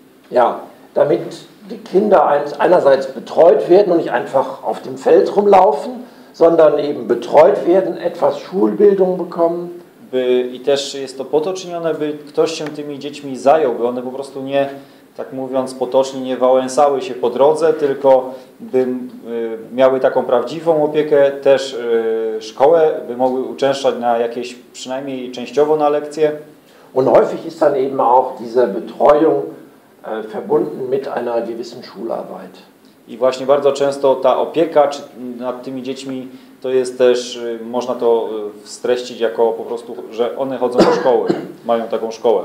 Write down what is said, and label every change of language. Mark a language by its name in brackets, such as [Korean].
[German] Ja, damit die Kinder einerseits betreut werden und nicht einfach auf dem Feld rumlaufen, sondern eben betreut werden, etwas Schulbildung bekommen. [Polish] I też jest to po to czynione, by ktoś się tymi dziećmi zajął, by one po prostu nie, tak mówiąc potocznie, nie wałęsały się po drodze, tylko by miały taką prawdziwą opiekę, też szkołę, by mogły uczęszczać na jakieś, przynajmniej częściowo na lekcje. [German] Und häufig ist dann eben auch diese Betreuung verbunden mit einer gewissen Schularbeit. [Polish] I właśnie bardzo często ta opieka nad tymi dziećmi, to jest też, można to streścić jako po prostu, że one chodzą do szkoły, mają taką szkołę.